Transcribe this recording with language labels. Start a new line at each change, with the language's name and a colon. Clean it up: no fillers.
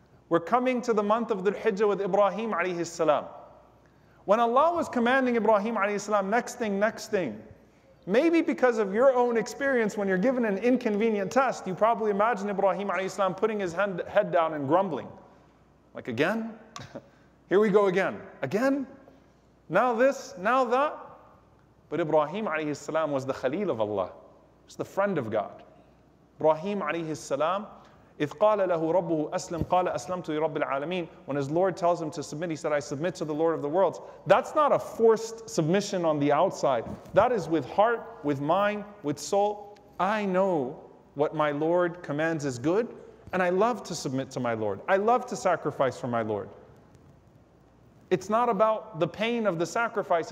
English: We're coming to the month of Dhul-Hijjah with Ibrahim alayhi salam. When Allah was commanding Ibrahim alayhi salam, next thing, maybe because of your own experience, when you're given an inconvenient test, you probably imagine Ibrahim alayhi salam putting his head down and grumbling. Like, again? Here we go again. Again? Now this, now that? But Ibrahim alayhi salam was the Khalil of Allah. He's the friend of God. Ibrahim alayhi salam,
Arabic: إِذْ قَالَ لَهُ رَبُّهُ أَسْلِمْ قَالَ أَسْلَمْتُ لِرَبِّ الْعَالَمِينَ.
English: When his Lord tells him to submit, he said, I submit to the Lord of the worlds. That's not a forced submission on the outside. That is with heart, with mind, with soul. I know what my Lord commands is good, and I love to submit to my Lord. I love to sacrifice for my Lord. It's not about the pain of the sacrifice.